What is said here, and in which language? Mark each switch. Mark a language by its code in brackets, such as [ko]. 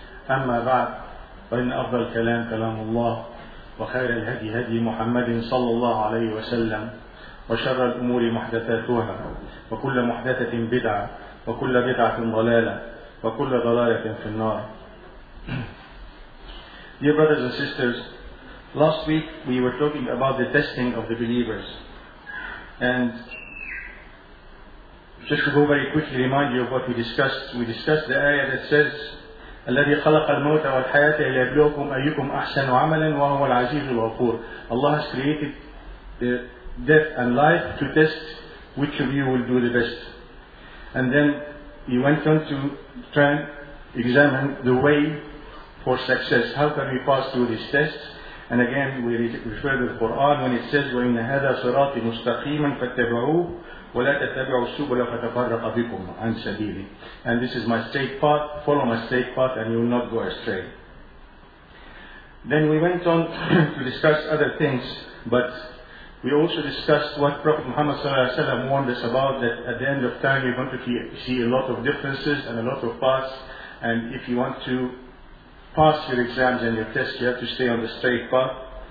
[ar] أما بعد، فإن أفضل الكلام كلام الله، وخير الهدي هدي محمد صلى الله عليه وسلم، وشر الأمور محدثاتها، وكل محدثة بدعة، وكل بدعة ضلالة، وكل ضلالة في النار. [en] Dear brothers and sisters, last week we were talking about the testing of the believers. And just to go very quickly, remind you of what we discussed. We discussed the ayah that says, [ar] الَّذِي خَلَقَ الْمَوْتَ وَالْحَيَاةِ لِيَبْلُوكُمْ أَيُّكُمْ أَحْسَنُ عَمَلًا وَهُوَ الْعَزِيزُ الْغَفُورُ. [en] Allah has created the death and life to test which of you will do the best. And then he went on to try and examine the way for success. How can we pass through this test? And again, we refer to the Quran when it says, [ar] وَإِنَّ هَذَا صِرَاطِ مُسْتَقِيمًا فَاتَّبَعُوهُ وَلَا تَتَّبِعُوا السُّبُلَ فَتَفَرَّقَ بِكُمْ عَنْ سَبِيلِ. [en] And this is my straight path, follow my straight path and you will not go astray. Then we went on to discuss other things, but we also discussed what Prophet Muhammad Sallallahu Alaihi Wasallam warned us about, that at the end of time you're going to see a lot of differences and a lot of paths, and if you want to pass your exams and your tests, you have to stay on the straight path.